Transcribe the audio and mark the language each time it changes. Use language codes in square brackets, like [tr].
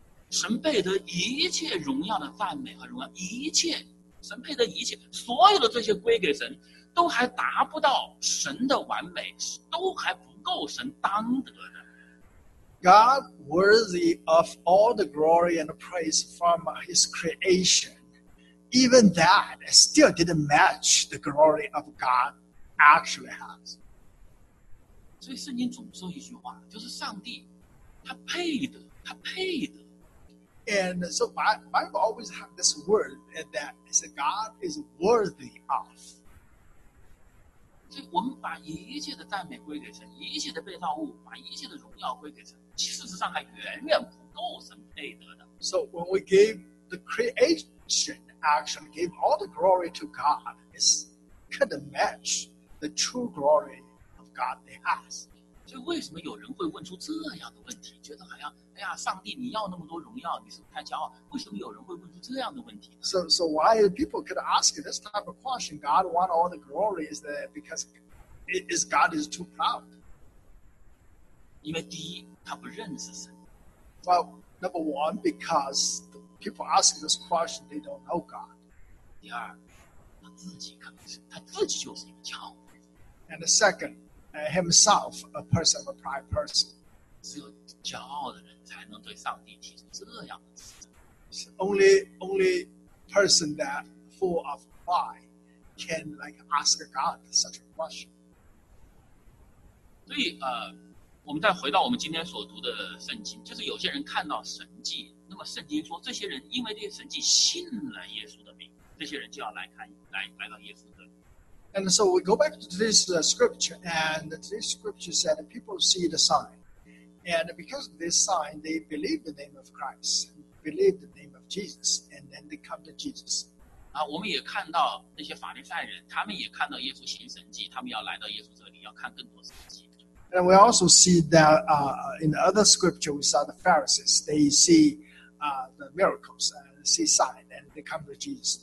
[zh] 神配得一切荣耀的赞美和荣耀，一切，神配得一切，所有的这些归给神，都还达不到神的完美，都还不够神当得的。 [en] God worthy of all the glory and the praise from His creation, even that still didn't match the glory of God actually has. [zh] 所以圣经总说一句话，就是上帝，他配得，他配得。 [en] And so Bible always have this word that is God is worthy of. [zh] 所以我们把一切的赞美归给神，一切的被造物，把一切的荣耀归给神。事实上还远远不够神配得的。 [en] So when we gave the creation, actually gave all the glory to God, it couldn't match the true glory of God they has. [zh] 所以为什么有人会问出这样的问题？觉得好像，哎呀，上帝，你要那么多荣耀，你是不是太骄傲？为什么有人会问出这样的问题呢？ [en] So why people could ask this type of question? God want all the glory is that because is God is too proud? [zh] 因为第一。他不认识神。 [en] Well, number one, because the people ask this question, they don't know God. [zh] 第二，他自己可能是，他自己就是一个骄傲。 [en] And the second, himself, a person, a pride person. [zh] 只有骄傲的人才能对上帝提出这样的指责。 [en] Only person that full of pride can like ask God such a question. [zh] 所以我们再回到我们今天所读的圣经，就是有些人看到神迹，那么圣经说这些人因为这些神迹信了耶稣的名，这些人就要来看来到耶稣的 [en] And so we go back to this scripture, and this scripture said that people see the sign. And because of this sign, they believe the name of Christ, believe the name of Jesus, and then they come to Jesus. [zh] 我们也看到那些法利赛人，他们也看到耶稣行神迹，他们要来到耶稣这里，要看更多神迹。 [en] And we also see that in the other scripture, we saw the Pharisees. They see the miracles, see signs, and they come to Jesus.